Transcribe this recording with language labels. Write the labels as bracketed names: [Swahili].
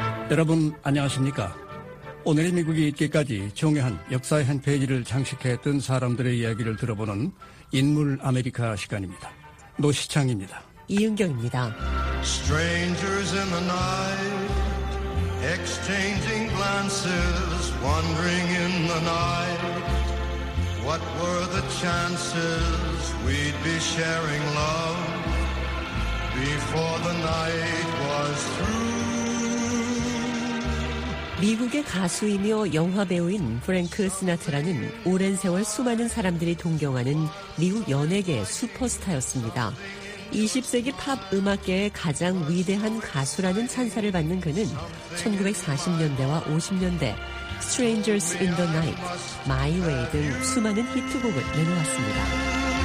[Korean] 여러분, 안녕하십니까? 오늘의 미국이 있기까지 중요한 역사의 한 페이지를 장식했던 사람들의 이야기를 들어보는 인물 아메리카 시간입니다. 노시창입니다. 이은경입니다. [English] Strangers in the night exchanging glances wandering in the night what were the chances we'd be sharing love before the night was [Korean] 미국의 가수이며 영화배우인 프랭크 시나트라는 오랜 세월 수많은 사람들이 동경하는 미국 연예계의 슈퍼스타였습니다. 20세기 팝 음악계의 가장 위대한 가수라는 찬사를 받는 그는 1940년대와 50년대 Strangers in the Night, My Way 등 수많은 히트곡을 내놓았습니다.